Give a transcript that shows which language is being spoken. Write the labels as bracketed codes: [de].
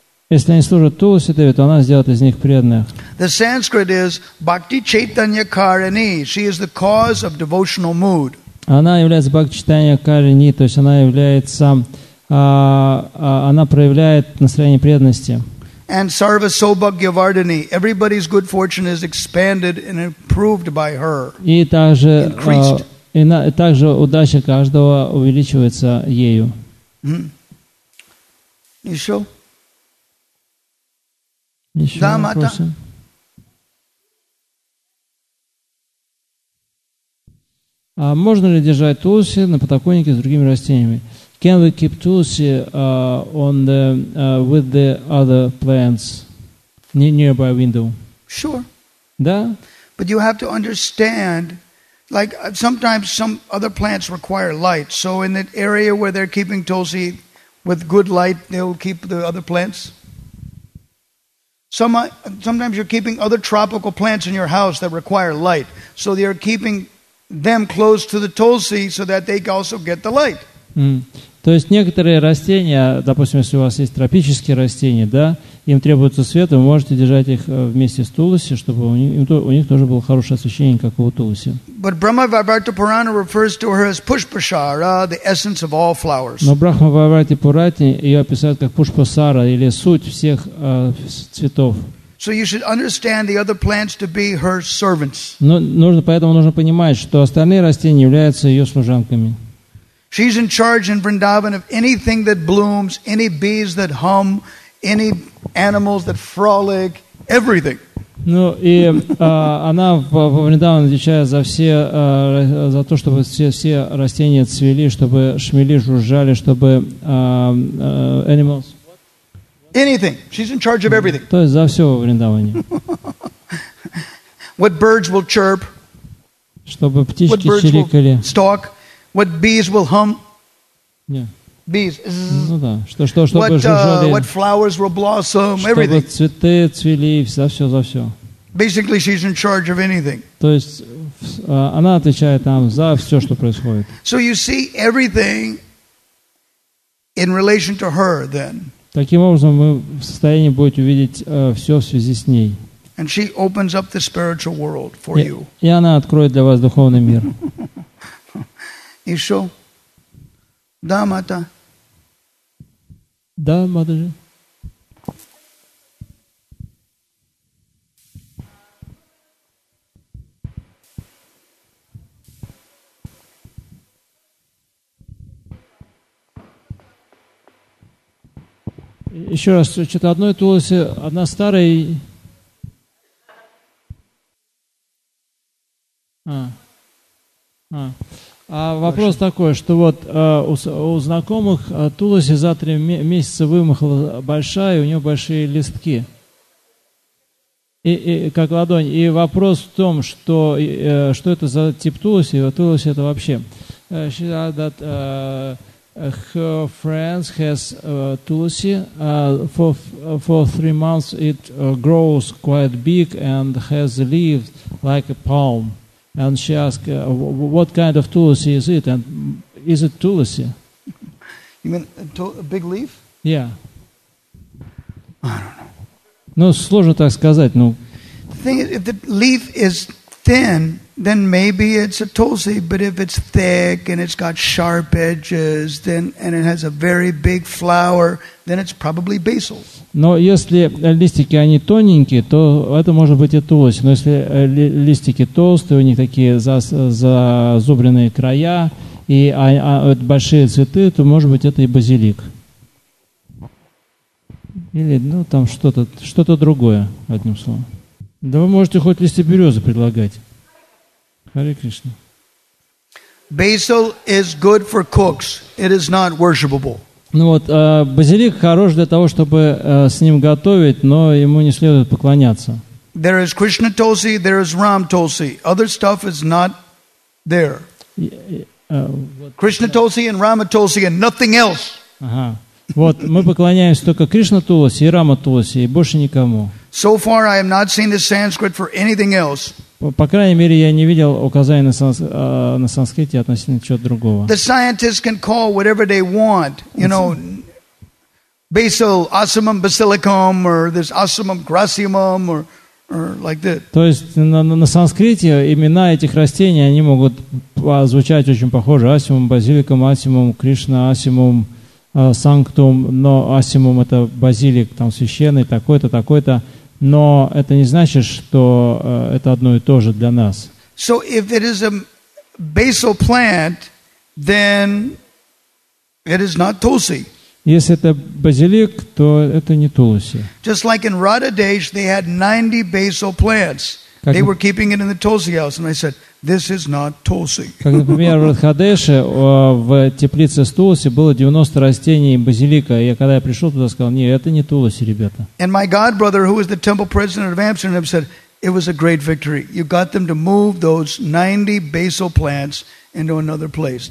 [ru] Если они служат Тулси Деви, то она сделает из них преданных. [en] The Sanskrit is bhakti chaitanya karani. She is the cause of devotional mood. [ru] Она является бхакти-читанья карини, то есть она является, она проявляет настроение преданности. [en] And sarva sobha gyavardhani. Everybody's good fortune is expanded and improved by her. [ru] И также удача каждого увеличивается ею. Mm-hmm. Еще? Еще да, вопросы? Можно ли держать тулси на подоконнике с другими растениями? [en] Can we keep tulsi with the other plants nearby window? Sure. [ru] Да? [en] But you have to understand, like sometimes some other plants require light. So in that area where they're keeping tulsi with good light, they'll keep the other plants. Sometimes you're keeping other tropical plants in your house that require light. So they're keeping them close to the tulsi so that they can also get the light. [ru] То есть некоторые растения, допустим, если у вас есть тропические растения, да, им требуется свет, вы можете держать их вместе с тулси, чтобы у них тоже было хорошее освещение, как у тулси. [en] But Brahma Vaivarta Purana refers to her as Pushpashara, the essence of all flowers. [ru] Но Брахма Вайварта Пурати ее описывает как Пушпасара, или суть всех цветов. [en] So you should understand the other plants to be her servants. [ru] Поэтому нужно понимать, что остальные растения являются ее служанками. [en] She's in charge in Vrindavan of anything that blooms, any bees that hum, any animals that frolic, everything. [ru] Она в Вриндаване отвечает за все, за то, чтобы все растения цвели, чтобы шмели жужжали, чтобы [en] animals. Anything. She's in charge of everything. [ru] То есть за все во Вриндаване. [en] What birds will chirp? [ru] Чтобы птички чирикали. [en] What birds will stalk? What bees will hum? Yeah. Bees. [ru] Ну да. Что чтобы жужжали. [en] What flowers will blossom? Everything. [ru] Чтобы цветы цвели. За все. [en] Basically, she's in charge of anything. [ru] То есть она отвечает там за все, что происходит. [en] So you see everything in relation to her, then. [ru] Таким образом, вы в состоянии будете увидеть все в связи с ней. [en] And she opens up the spiritual world for you. [ru] И она откроет для вас духовный мир. Еще? Да, мата? Да, матаджи. Еще раз, что-то одной тулси, одна старая. А, Вопрос такой, что вот у знакомых Туласи за три месяца вымахала большая, у него большие листки. И как ладонь. И вопрос в том, что, что это за тип Туласи, а Туласи это вообще. [en] She said that her friends has Tulsi for 3 months. It grows quite big and has leaves like a palm. And she asked, what kind of Tulsi is it? And is it Tulsi? You mean a big leaf? Yeah. I don't know. [ru] Ну, сложно так сказать, ну. [en] The thing is, if the leaf is thin, then maybe it's a Tulsi. But if it's thick and it's got sharp edges, then and it has a very big flower, then it's probably basil. [ru] Но если листики они тоненькие, то это может быть и Тулси. Но если листики толстые, у них такие зазубренные края и большие цветы, то может быть это и базилик. Или ну там что-то другое, одним словом. Да вы можете хоть листья березы предлагать. Харе Кришна. [en] Basil is good for cooks. It is not worshipable. [ru] Ну вот, базилик хорош для того, чтобы с ним готовить, но ему не следует поклоняться. [en] There is Krishna Tulsi, there is Ram Tulsi. Other stuff is not there. Krishna Tulsi and Rama Tulsi and nothing else. [ru] Ага. Вот, мы поклоняемся только Кришна Тулси и Рама Тулси, и больше никому. [en] So far I have not seen the Sanskrit for anything else. [ru] По крайней мере, я не видел указаний на санскрите относительно чего-то другого. [en] The scientists can call whatever they want, you know, basil, osmum basilicum, or this osmum gracium, or like that. [ru] То есть на санскрите имена этих растений, они могут звучать очень похоже. Осимум, базиликум, осимум, Кришна, осимум, санктум, но асимум — это базилик, там, священный, такой-то, такой-то. Но это не значит, что это одно и то же для нас. [en] So if it is a basil plant, then it is not Tulsi. [ru] Если это базилик, то это не Тулси. [en] Just like in Radhadesh, they had 90 basil plants. They were keeping it in the Tulsi house, and I said, this is not Tulsi. [ru] Как, например, в Радхадеше, в теплице с Тулси было 90 растений базилика. И когда я пришел туда, сказал, нет, это не Тулси, ребята. [en] And my godbrother, who is the temple president of Amsterdam, said, it was a great victory. You got them to move those 90 basil plants into another place.